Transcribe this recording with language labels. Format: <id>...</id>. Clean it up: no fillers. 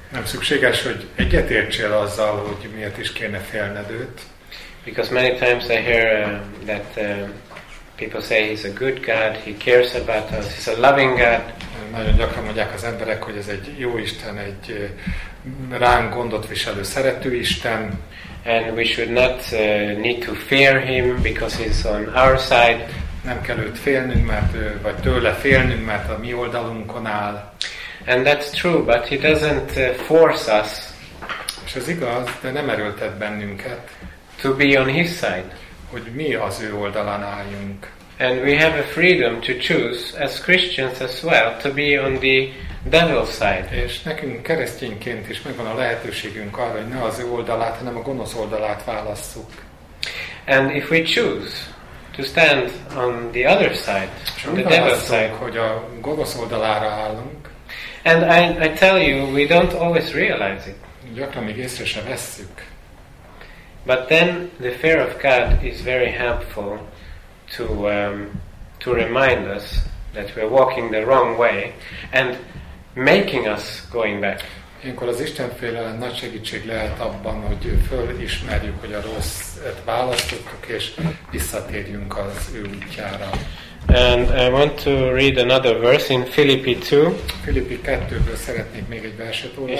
<hu>nem szükséges, hogy egyetértsél azzal, hogy miért is kéne félned őt.</hu> <en>Because many times I hear that people say he's a good God, he cares about us, he's a loving God.</en> <hu>Nagyon gyakran mondják az emberek, hogy ez egy jó Isten, egy ránk gondot viselő szerető Isten.</hu> <en>And we should not need to fear him because he's on our side.</en> <hu>Nem kell őt félnünk, vagy tőle félnünk, mert a mi oldalunkon áll.</hu> <en>And that's true, but he doesn't force us.</en> <hu>És ez igaz, de nem erőltet bennünket.</hu> <en>To be on his side.</en> <hu>Hogy mi az ő oldalán álljunk.</hu> <en>And we have a freedom to choose as Christians as well to be on the devil's side.</en> <hu>És nekünk keresztényként is megvan a lehetőségünk arra, hogy ne az ő oldalát, hanem a gonosz oldalát válasszuk.</hu> <en>And if we choose to stand on the other side, the devil's side,</en> <hu>hogy a gonosz oldalára állunk.</hu> <en>And I tell you, we don't always realize it.</en> <hu>Gyakran még észre sem vesszük.</hu> <en>But then the fear of God is very helpful to remind us that we're walking the wrong way and making us going back.</en> <hu>Ilyenkor az Istenfélelem nagy segítség lehet abban, hogy fölismerjük, hogy a rosszat választottuk, és visszatérjünk az ő útjára.</hu> <en>And I want to read another verse in Philippi 2.</en> <hu>Filippi 2-ből szeretnék még egy verset olvasni.</hu>